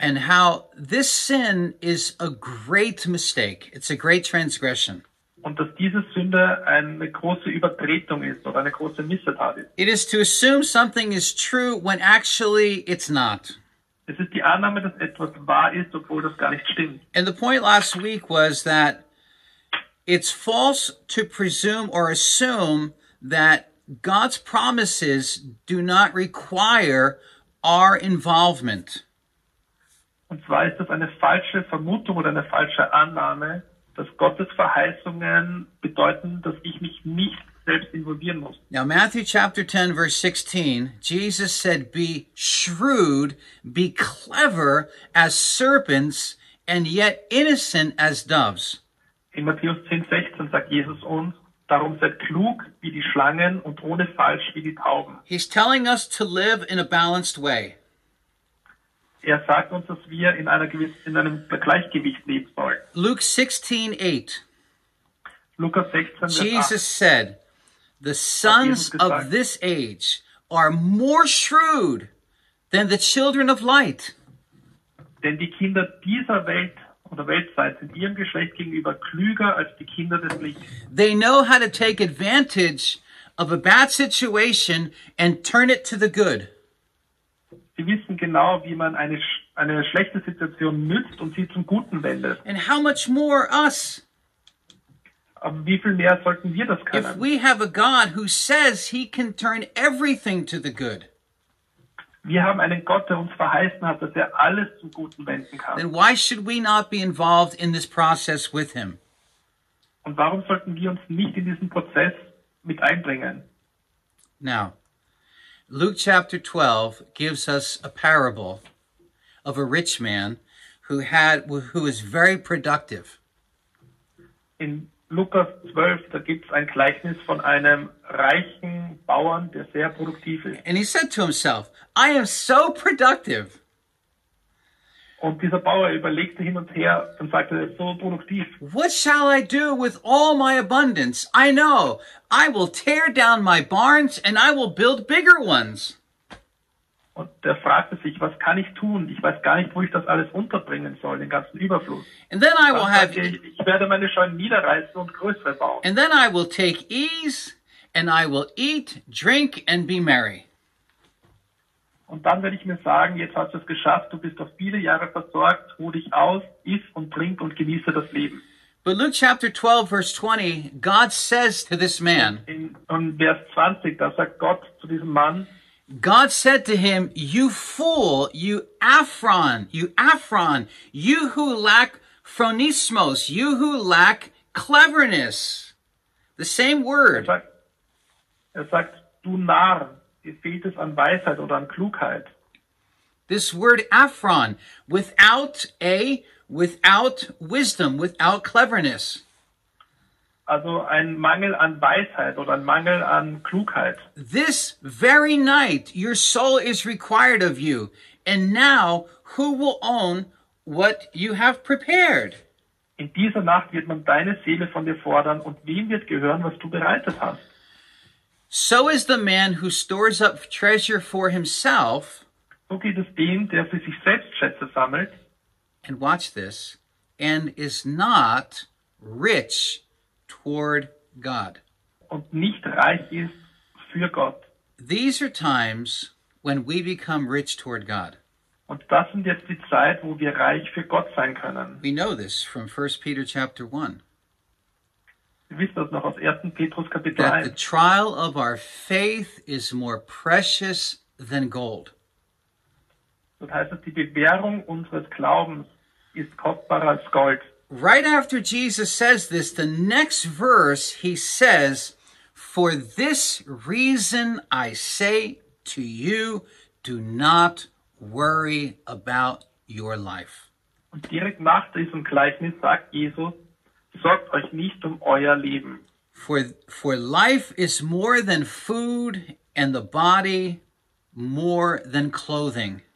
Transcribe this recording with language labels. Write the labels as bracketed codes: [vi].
[en] And how this sin is a great mistake. It's a great transgression. [de] Und dass diese Sünde eine große Übertretung ist oder eine große Missetat ist. [en] It is to assume something is true when actually it's not. [de] Es ist die Annahme, dass etwas wahr ist, obwohl das gar nicht stimmt. [en] And the point last week was that it's false to presume or assume that God's promises do not require our involvement. [de] Und zwar ist das eine falsche Vermutung oder eine falsche Annahme, dass Gottes Verheißungen bedeuten, dass ich mich nicht selbst involvieren muss. [en] Now Matthew chapter 10 verse 16, Jesus said, be shrewd, be clever as serpents and yet innocent as doves. [de] In Matthäus 10, 16 sagt Jesus uns, darum seid klug wie die Schlangen und ohne falsch wie die Tauben. [en] He's telling us to live in a balanced way. [de] Er sagt uns, dass wir in einer gewissen, in einem Gleichgewicht leben sollen. [en] Luke 16, 8. [de] Lukas 16, [en] Jesus 8. Said, the sons of this age are more shrewd than the children of light. [de] Denn die Kinder dieser Welt oder Weltzeit sind ihrem Geschlecht gegenüber klüger als die Kinder des Lichts. [en] They know how to take advantage of a bad situation and turn it to the good. [de] Sie wissen genau, wie man eine schlechte Situation nützt und sie zum Guten wendet. [en] And how much more us? [de] Aber wie viel mehr sollten wir das können? [en] If we have a God who says he can turn everything to the good. [de] Wir haben einen Gott, der uns verheißen hat, dass er alles zum Guten wenden kann. [en] Then why should we not be involved in this process with him? [de] Und warum sollten wir uns nicht in diesen Prozess mit einbringen? [en] Now, Luke chapter 12 gives us a parable of a rich man who is very productive. [de] In Lukas 12, da gibt es ein Gleichnis von einem reichen Bauern, der sehr produktiv ist. [en] And he said to himself, I am so productive. [de] Und dieser Bauer überlegte hin und her und sagte, er ist so produktiv. [en] What shall I do with all my abundance? I know, I will tear down my barns and I will build bigger ones. [de] Und der fragte sich, was kann ich tun? Ich weiß gar nicht, wo ich das alles unterbringen soll, den ganzen Überfluss. [en] And then I will have, [de] ich werde meine Scheunen niederreißen und größere bauen. [en] And then I will take ease and I will eat, drink and be merry. [de] Und dann werde ich mir sagen, jetzt hast du es geschafft, du bist auf viele Jahre versorgt, ruh dich aus, iss und trink und genieße das Leben. [en] But Luke chapter 12, verse 20, God says to this man, [de] in Vers 20, da sagt Gott zu diesem Mann, [en] God said to him, you fool, you Aphron, you who lack phronismos, you who lack cleverness. The same word. [de] Er sagt, du Narr. Fehlt es an Weisheit oder an Klugheit. [en] This word Aphron, without wisdom, without cleverness. [de] Also ein Mangel an Weisheit oder ein Mangel an Klugheit. [en] This very night your soul is required of you, and now who will own what you have prepared? [de] In dieser Nacht wird man deine Seele von dir fordern, und wem wird gehören, was du bereitet hast? [en] So is the man who stores up treasure for himself. [de] So geht es dem, der für sich selbst Schätze sammelt. [en] And watch this. And is not rich toward God. [de] Und nicht reich ist für Gott. [en] These are times when we become rich toward God. [de] Und das sind jetzt die Zeit, wo wir reich für Gott sein können. [en] We know this from 1 Peter chapter 1. [de] Wir wissen das noch aus 1. Petrus Kapitel [en] 1. That the trial of our faith is more precious than gold. [de] Das heißt, dass die Bewährung unseres Glaubens ist kostbarer als Gold. [en] Right after Jesus says this, the next verse he says, for this reason I say to you, do not worry about your life. [de] Und direkt nach diesem Gleichnis sagt Jesus, sorgt euch nicht euer Leben. [en] For life is more than food and the body more than clothing.